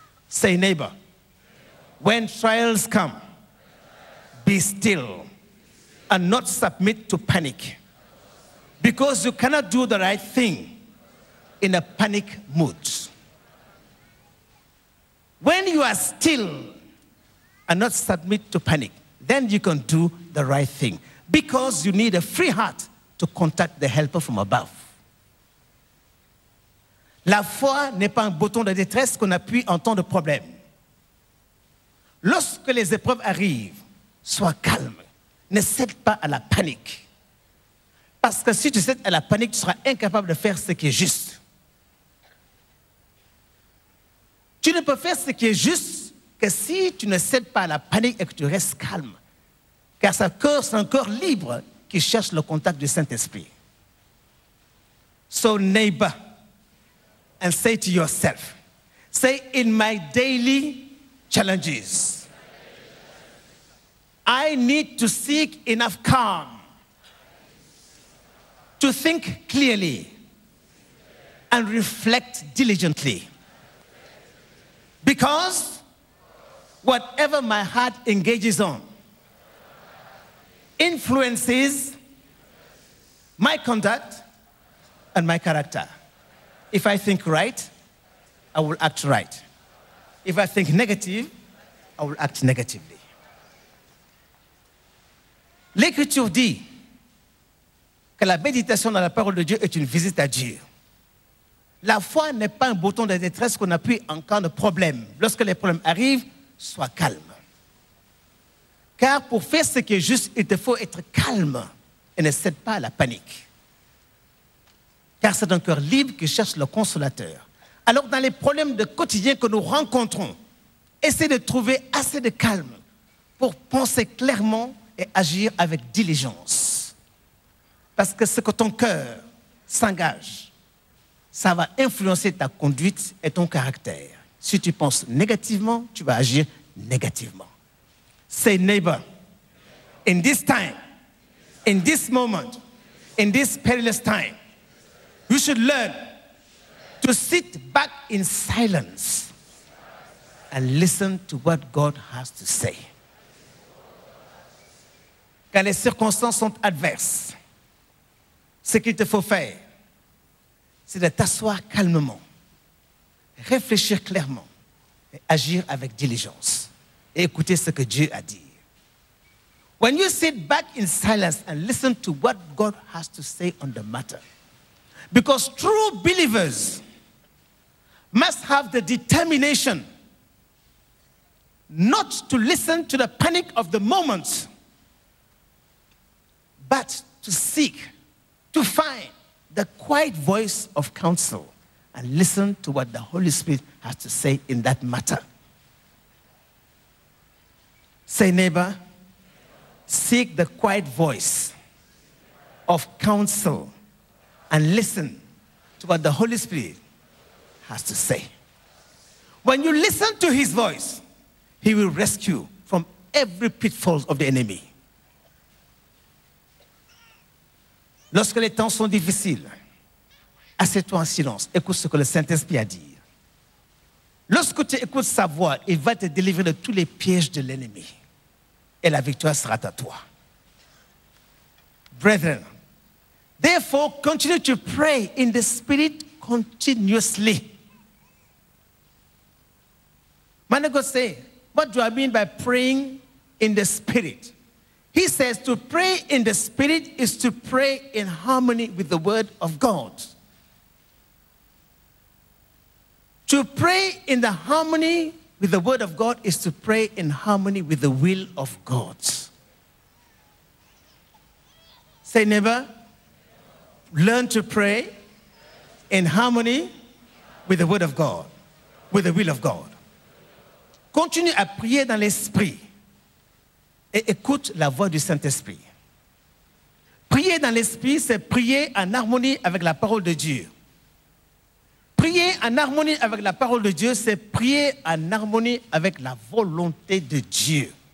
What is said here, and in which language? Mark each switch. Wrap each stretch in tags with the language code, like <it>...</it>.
<en>Say, neighbor, when trials come, be still and not submit to panic, because you cannot do the right thing in a panic mood. When you are still and not submit to panic, then you can do the right thing, because you need a free heart to contact the helper from above.</en> <fr>La foi n'est pas un bouton de détresse qu'on appuie en temps de problème. Lorsque les épreuves arrivent, sois calme. Ne cède pas à la panique. Parce que si tu cèdes à la panique, tu seras incapable de faire ce qui est juste. Tu ne peux faire ce qui est juste que si tu ne cèdes pas à la panique et que tu restes calme. Car ce cœur, c'est un cœur libre qui cherche le contact du Saint-Esprit.</fr> <en>So neighbor, and say to yourself, say, in my daily challenges, I need to seek enough calm to think clearly and reflect diligently. Because whatever my heart engages on influences my conduct and my character. If I think right, I will act right. If I think negative, I will act negatively.</en> <fr>L'Écriture dit que la méditation dans la parole de Dieu est une visite à Dieu. La foi n'est pas un bouton de détresse qu'on appuie en cas de problème. Lorsque les problèmes arrivent, sois calme. Car pour faire ce qui est juste, il te faut être calme et ne cède pas à la panique. Car c'est un cœur libre qui cherche le consolateur. Alors dans les problèmes de quotidien que nous rencontrons, essaie de trouver assez de calme pour penser clairement et agir avec diligence. Parce que ce que ton cœur s'engage, ça va influencer ta conduite et ton caractère. Si tu penses négativement, tu vas agir négativement.</fr> <en>Say neighbor, in this time, in this moment, in this perilous time, you should learn to sit back in silence and listen to what God has to say.</en> <fr>Quand les circonstances sont adverses, ce qu'il te faut faire, c'est de t'asseoir calmement, réfléchir clairement, et agir avec diligence et écouter ce que Dieu a dit.</fr> <en>When you sit back in silence and listen to what God has to say on the matter, because true believers must have the determination not to listen to the panic of the moment, but to seek, to find the quiet voice of counsel and listen to what the Holy Spirit has to say in that matter. Say, neighbor, seek the quiet voice of counsel and listen to what the Holy Spirit has to say. When you listen to his voice, he will rescue from every pitfall of the enemy.</en> <fr>Lorsque les temps sont difficiles, assieds-toi en silence. Écoute ce que le Saint-Esprit a dit. Lorsque tu écoutes sa voix, il va te délivrer de tous les pièges de l'ennemi. Et la victoire sera à toi.</fr> <en>Brethren, therefore, continue to pray in the Spirit continuously. Man of God say, what do I mean by praying in the Spirit? He says to pray in the Spirit is to pray in harmony with the Word of God. To pray in the harmony with the Word of God is to pray in harmony with the will of God. Say, neighbor, learn to pray in harmony with the Word of God, with the will of God.</en> <fr>Continue à prier dans l'Esprit et écoute la voix du Saint-Esprit. Prier dans l'Esprit, c'est prier en harmonie avec la parole de Dieu. Prier en harmonie avec la parole de Dieu, c'est prier en harmonie avec la volonté de Dieu.</fr>